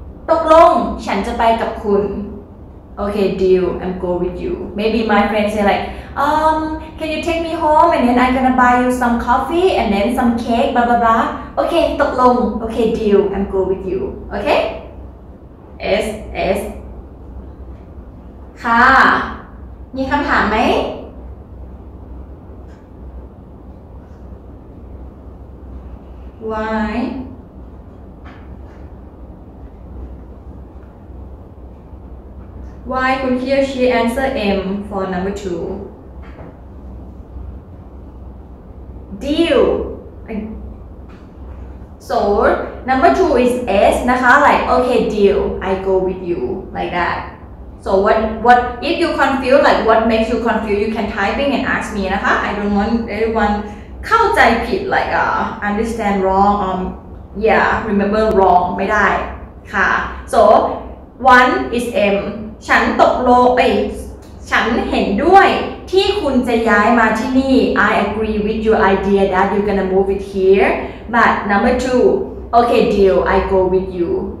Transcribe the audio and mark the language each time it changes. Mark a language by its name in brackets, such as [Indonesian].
[Thai] ตกลงฉันจะไปกับคุณ [English] Okay, deal. I'm go with you. Maybe my friend say like, can you take me home? And then I'm gonna buy you some coffee and then some cake, blah, blah, blah. Okay, ตกลง Okay, deal. I'm go with you. Okay? S, S. [Thai] ค่ะมีคำถามไหม [English] Why? Why could he or she answer M for number two? Deal. So number two is S, นะคะ like okay deal, I go with you like that. So what if you confused like what makes you confused? You can type in and ask me, นะคะ I don't want anyone. [Thai] เข้าใจผิด [English] like understand wrong yeah remember wrong [Thai] ไม่ได้ค่ะ [English] so one is M [Thai] ฉันตกลงไปฉันเห็นด้วยที่คุณจะย้ายมาที่นี่ [English] I agree with your idea that you're gonna move it here but number two okay deal I go with you